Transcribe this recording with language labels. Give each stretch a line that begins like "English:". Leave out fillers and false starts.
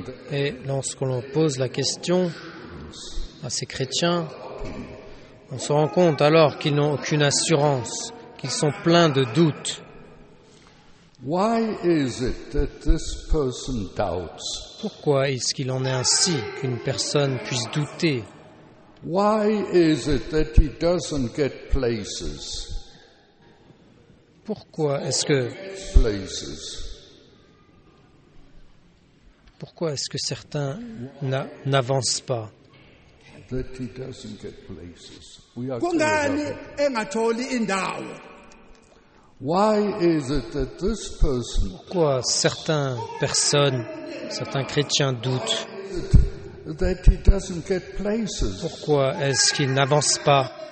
French: Et lorsque l'on pose la question à ces chrétiens, on se rend compte alors qu'ils n'ont aucune assurance, qu'ils sont pleins de doutes.
English: Why is it that this person doubts?
French: Pourquoi est-ce qu'il en est ainsi qu'une personne puisse douter?
English: Why is it that he doesn't get places?
French: Pourquoi est-ce que
English: places?
French: Pourquoi est-ce que certains n'avancent pas?
English: That he doesn't get places. We are
Zulu: Kungani engatholi indawo.
English: Why is it that this person?
French: Pourquoi certaines personnes, certains chrétiens doutent?
English: That he doesn't get places.
French: Pourquoi est-ce qu'il n'avance pas?